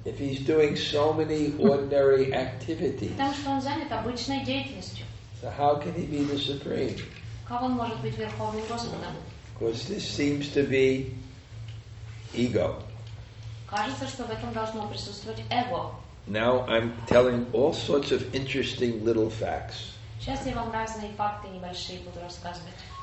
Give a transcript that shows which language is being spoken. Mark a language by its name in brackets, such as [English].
[English] If he's doing so many ordinary activities. [Russian] Потому что он занят обычной деятельностью. [English] So how can he be the Supreme? [Russian] Как он может быть Верховным Господом? [English] Because this seems to be ego. [Russian] Кажется, что в этом должно присутствовать эго. [English] Now I'm telling all sorts of interesting little facts. [Russian] Сейчас я вам разные факты небольшие буду рассказывать.